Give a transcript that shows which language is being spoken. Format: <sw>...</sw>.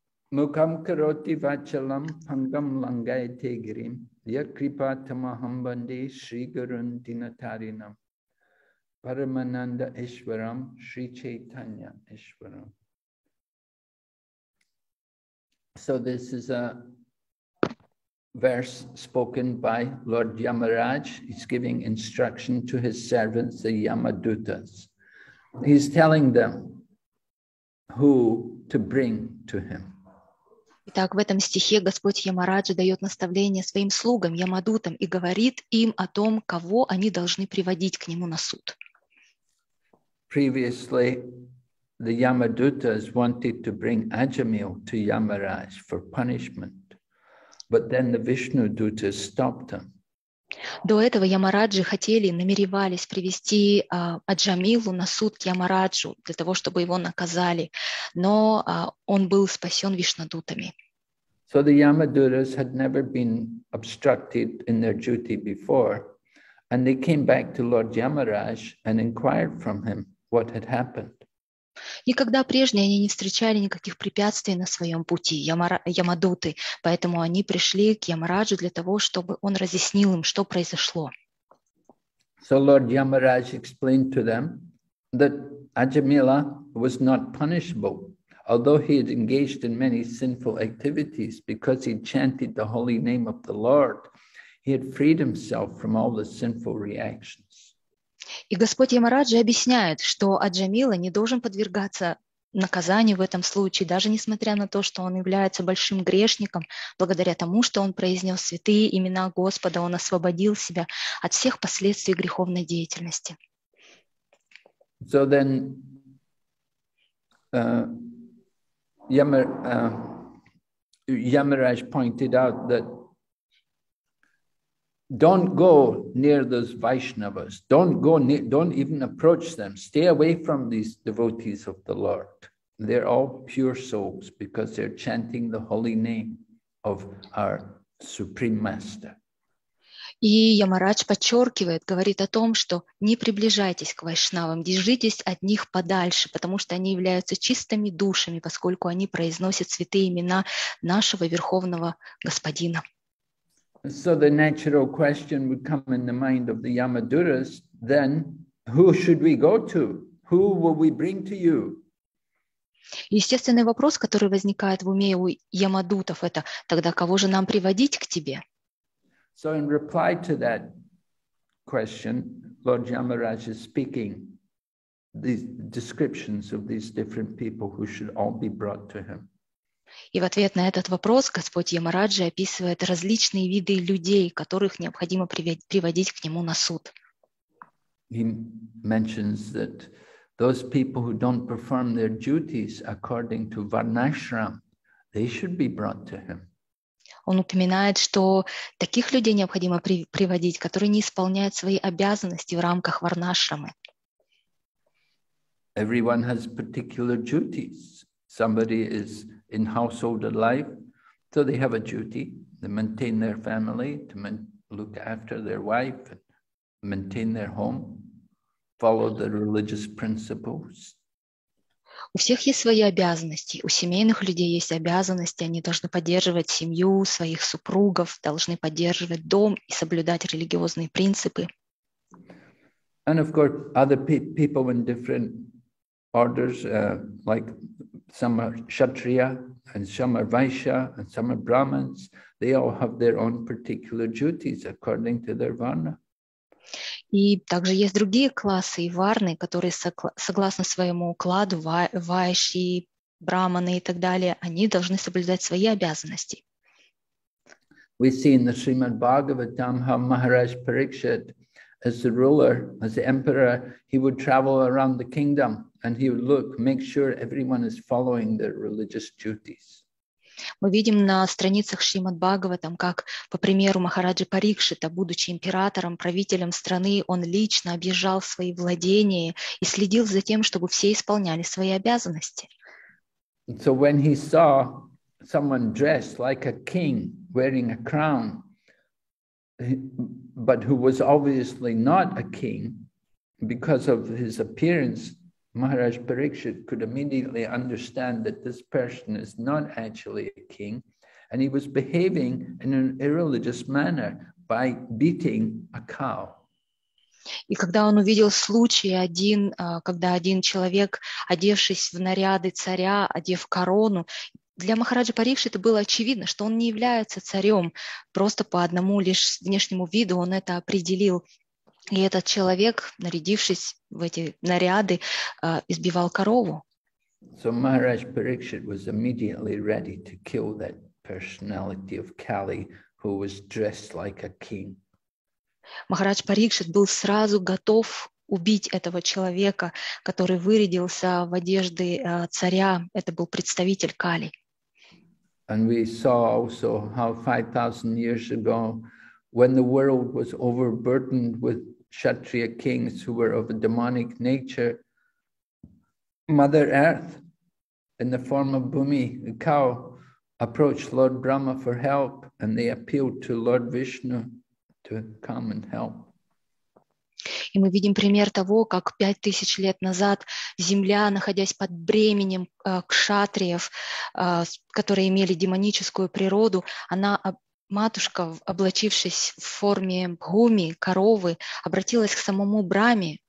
<sa>Мукам кароти вачалам пангам лангайте грим, я крипа тамахам банде шри гурун динатаринам. Парамананда Ишварам, Шри Чайтанья Ишварам.</sa> <en>So this is a verse spoken by Lord Yamaraj. He's giving instruction to his servants, the Yamadutas. He's telling them who to bring to him.</en> <ru>Итак, в этом стихе Господь Ямараджа дает наставление своим слугам, Ямадутам, и говорит им о том, кого они должны приводить к нему на суд.</ru> <en>Previously, the Yamadutas wanted to bring Ajamil to Yamaraj for punishment, but then the Vishnu Dutas stopped them.</en> <ru>До этого Ямараджи хотели, намеревались привести Аджамилу на суд к Ямараджу для того, чтобы его наказали, но он был спасен Вишнадутами.</ru> <en>So the Yamadutas had never been obstructed in their duty before, and they came back to Lord Yamaraj and inquired from him. What had happened?</en> <ru>Никогда прежде они не встречали никаких препятствий на своем пути, Ямадуты, поэтому они пришли к Ямараджу для того, чтобы он разъяснил им, что произошло.</ru> <en>So Lord Yamaraj explained to them that Ajamila was not punishable, although he had engaged in many sinful activities, because he chanted the holy name of the Lord, he had freed himself from all the sinful reactions.</en> <ru>И Господь Ямараджи объясняет, что Аджамила не должен подвергаться наказанию в этом случае, даже несмотря на то, что он является большим грешником, благодаря тому, что он произнес святые имена Господа, он освободил себя от всех последствий греховной деятельности.</ru> <en>So then, Ямарадж pointed out that don't go near those Vaishnavas. Don't go near, don't even approach them. Stay away from these devotees of the Lord. They're all pure souls because they're chanting the holy name of our Supreme Master.</en> <ru>И Ямарадж подчеркивает, говорит о том, что не приближайтесь к вайшнавам, держитесь от них подальше, потому что они являются чистыми душами, поскольку они произносят святые имена нашего Верховного Господина.</ru> <en>So the natural question would come in the mind of the Yamaduras, then who should we go to? Who will we bring to you?</en> <ru>Естественный вопрос, который возникает в уме у Ямадутов, это тогда кого же нам приводить к тебе?</ru> <en>So in reply to that question, Lord Yamaraj is speaking these descriptions of these different people who should all be brought to him.</en> <ru>И в ответ на этот вопрос Господь Ямараджи описывает различные виды людей, которых необходимо приводить к нему на суд.</ru> <en>He mentions that those people who don't perform their duties according to Varnashram, they should be brought to him.</en> <ru>Он упоминает, что таких людей необходимо приводить, которые не исполняют свои обязанности в рамках Варнашрамы.</ru> <en>Everyone has particular duties. Somebody is in household life, so they have a duty to maintain their family, to look after their wife, maintain their home, follow the religious principles.</en> <ru>У всех есть свои обязанности. У семейных людей есть обязанности. Они должны поддерживать семью, своих супругов, должны поддерживать дом и соблюдать религиозные принципы.</ru> <en>And of course, other people in different orders, like some are Kshatriya, and some are Vaishya, and some are Brahmins. They all have their own particular duties according to their varna.</en> <ru>И также есть другие классы и варны, которые согласно своему укладу, вайши, браманы и так далее, они должны соблюдать свои обязанности.</ru> <en>We see in the Srimad Bhagavatam how Maharaj Parikshit, as the ruler, as the emperor, he would travel around the kingdom and he would look, make sure everyone is following their religious duties.</en> <ru>Мы видим на страницах Шримад Бхагаватам, как, по примеру Махараджи Парикшита, будучи императором, правителем страны, он лично объезжал свои владения и следил за тем, чтобы все исполняли свои обязанности.</ru> <en>So when he saw someone dressed like a king, wearing a crown, but who was obviously not a king, because of his appearance, Maharaj Parikshit could immediately understand that this person is not actually a king, and he was behaving in an irreligious manner by beating a cow.</en> <ru>И когда он увидел случай один, когда один человек, одевшись в наряды царя, одев корону, для Махараджи Парикшита было очевидно, что он не является царем, просто по одному лишь внешнему виду он это определил. И этот человек, нарядившись в эти наряды, избивал корову.</ru> <en>So Maharaj Parikshit was immediately ready to kill that personality of Kali, who was dressed like a king.</en> <ru>Махарадж Парикшит был сразу готов убить этого человека, который вырядился в одежды царя. Это был представитель Кали.</ru> <en>And we saw also how 5,000 years ago, when the world was overburdened with Kshatriya kings who were of a demonic nature, Mother Earth, in the form of Bhumi, the cow, approached Lord Brahma for help, and they appealed to Lord Vishnu to come and help.</en> <ru>И мы видим пример того, как 5000 лет назад земля, находясь под бременем кшатриев, которые имели демоническую природу, она, матушка, облачившись в форме Бхуми, коровы, обратилась к самому Браме.</ru>